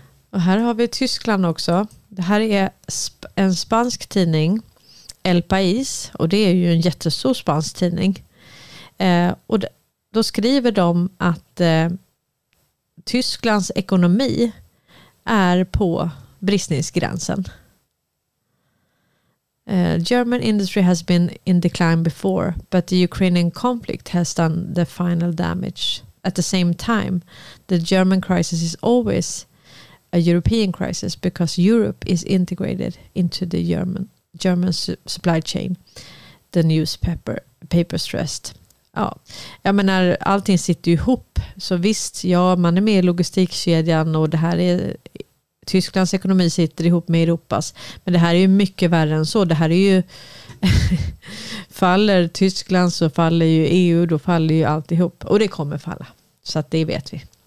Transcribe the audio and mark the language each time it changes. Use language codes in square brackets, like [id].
[sv] Och här har vi Tyskland också. Det här är en spansk tidning, El País. Och det är ju en jättestor spansk tidning. Och då skriver de att Tysklands ekonomi är på bristningsgränsen. [en] German industry has been in decline before, but the Ukrainian conflict has done the final damage. At the same time, the German crisis is always a European crisis because Europe is integrated into the German supply chain, the newspaper stressed. [sv] Ja, jag menar, allting sitter ju ihop. Så visst, ja, man är med i logistikkedjan och det här är, Tysklands ekonomi sitter ihop med Europas. Men det här är ju mycket värre än så. Det här är ju faller Tyskland, så faller ju EU, då faller ju allt ihop. Och det kommer falla. Så att det vet vi.